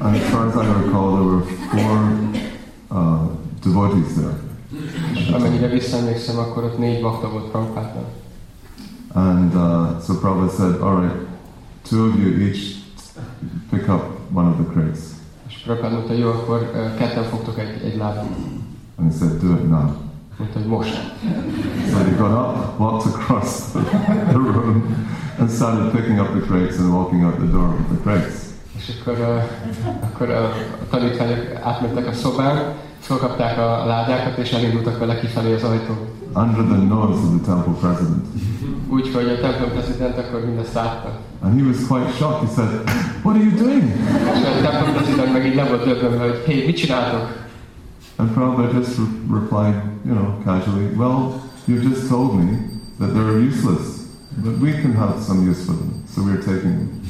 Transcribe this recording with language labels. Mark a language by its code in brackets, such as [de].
[en] And as far as I recall, there were four devotees there. [hu] És amennyire visszaemlékszem, akkor ott négy bhakta volt Prabhupada. [en] And so Prabhupada said, all right, two of you each pick up one of the crates. [hu] És Prabhupada mondta, jó, akkor ketten fogtok egy ládát. [en] And he said, do it now. [hu] Most. [en] So he got up, walked across the room, and started picking up the crates and walking out the door with the crates. [hu] És akkor a tanítványok átmentek a szobán, felkapták a ládákat, és elindultak vele kifelé az ajtó. [en] Under the nose of the temple president. [hu] Úgyhogy a templom prezident akkor mindezt látta. [en] And he was quite shocked. He said, what are you doing? [hu] És a templom prezident meg így le volt döbbenve, hogy hey, mit csináltok? [en] And Prabhupada just replied, you know, casually, well, you just told me that they're useless, but we can have some use for them, so we're taking them.